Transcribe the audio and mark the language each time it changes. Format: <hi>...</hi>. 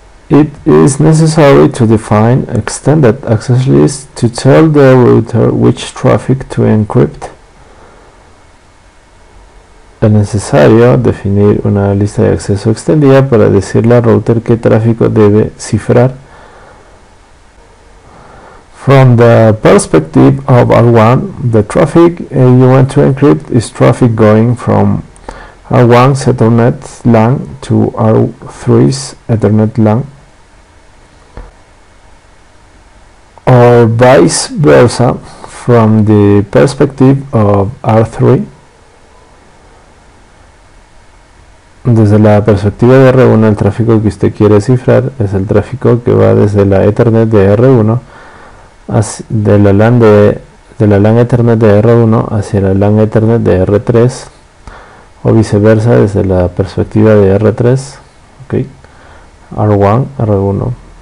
<en>It is necessary to define extended access lists to tell the router which traffic to encrypt.</en> <es>Es necesario definir una lista de acceso extendida para decirle al router qué tráfico debe cifrar.</es> <en>From the perspective of R1, the traffic you want to encrypt is traffic going from R1's Ethernet LAN to R3's Ethernet LAN, or vice versa. From the perspective of R3,</en> <es>desde la perspectiva de R1, el tráfico que usted quiere cifrar es el tráfico que va desde la Ethernet de R1 de la LAN Ethernet de R1 hacia la LAN Ethernet de R3, o viceversa desde la perspectiva de R3, okay, R1, R1.</es>